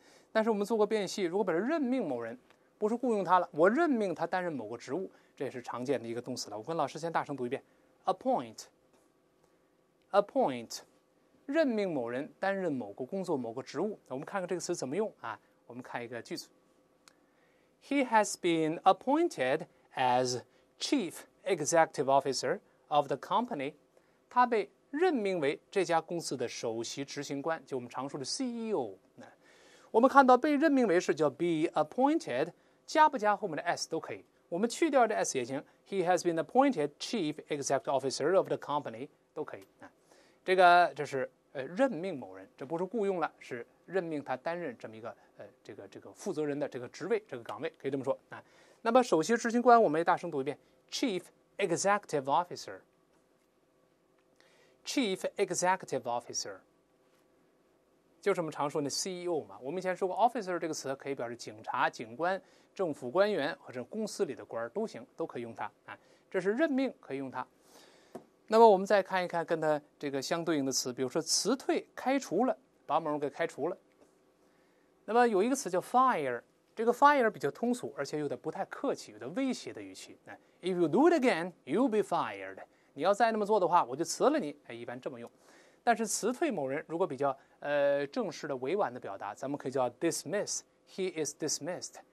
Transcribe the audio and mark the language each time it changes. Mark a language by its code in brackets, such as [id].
[zh] 但是我们做过变戏，如果把它任命某人，不是雇佣他了，我任命他担任某个职务，这也是常见的一个动词了。我跟老师先大声读一遍 appoint, 任命某人担任某个工作某个职务。我们看看这个词怎么用啊，我们看一个句子。 [en] He has been appointed as chief executive officer of the company. [zh] 他被任命为这家公司的首席执行官，就我们常说的 CEO。我们看到被任命为是叫 be appointed, 加不加后面的 S 都可以。我们去掉的 S 也行， [en] He has been appointed chief executive officer of the company, [zh] 都可以。这是任命某人，这不是雇佣了，是任命他担任这么一个这个负责人的这个职位这个岗位，可以这么说啊。那么首席执行官我们也大声读一遍 Chief Executive Officer 就是我们常说的 CEO 嘛。我们以前说过 Officer 这个词可以表示警察、警官、政府官员或者公司里的官都行，都可以用它啊。这是任命可以用它。那么我们再看一看跟它这个相对应的词，比如说辞退、开除了，把某人给开除了。那么有一个词叫 fire, 这个 fire 比较通俗，而且有点不太客气，有点威胁的语气。 [en] If you do it again, you'll be fired. [zh] 你要再那么做的话，我就辞了你。一般这么用。但是辞退某人，如果比较正式的委婉的表达，咱们可以叫 dismiss, [en] he is dismissed.